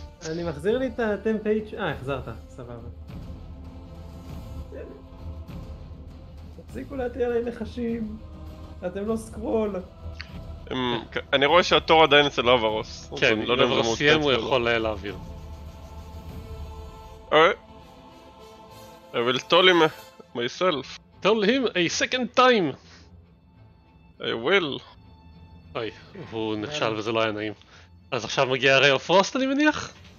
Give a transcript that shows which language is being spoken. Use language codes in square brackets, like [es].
[he] אני מחזיר לי את הטמפ אייג' החזרת, סבבה. תפסיקו להטיע עליי נחשים. אתם לא סקרול. אני רואה שהתור עדיין אצל אברוס. כן, אם אברוס סיים הוא יכול להעביר. [en] אה? I will tell him myself. Tell him a second time. I will. [he] אוי, הוא נכשל וזה לא היה נעים. אז עכשיו מגיע הרי הפרוסט אני מניח?